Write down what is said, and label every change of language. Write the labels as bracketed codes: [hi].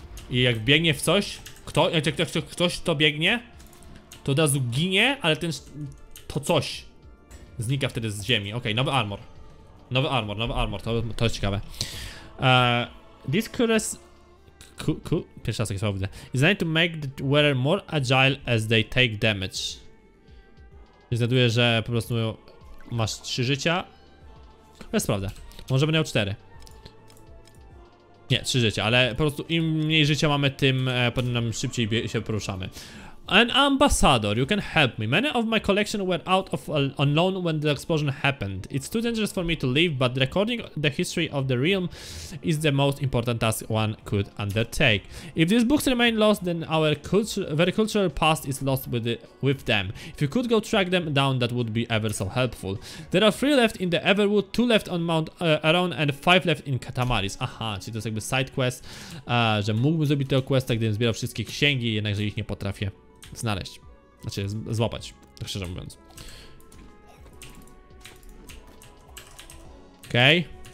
[pl] I jak biegnie w coś, jak ktoś to biegnie, to od razu ginie, ale ten to coś znika wtedy z ziemi. Okej, nowy armor. Nowy armor, to jest ciekawe. Pierwszy raz takie słowo widzę. [en] Designed to make the wearer more agile as they take damage. [pl] I znajduję, że po prostu masz 3 życia. To jest prawda. Może będę miał 4. Nie, 3 życia, ale po prostu im mniej życia mamy, tym potem nam szybciej się poruszamy. [en] An ambassador, you can help me. Many of my collection were out of unknown when the explosion happened. It's too dangerous for me to leave, but recording the history of the realm is the most important task one could undertake. If these books remain lost, then our very cultural past is lost with them. If you could go track them down, that would be ever so helpful. There are 3 left in the Everwood, 2 left on Mount Aron, and 5 left in Katamaris. [pl] Aha, czyli to jest jakby side quest, że mógłbym zrobić tego questa, gdybym zbierał wszystkie księgi, jednakże ich nie potrafię znaleźć. Znaczy, złapać, tak szczerze mówiąc. Okej.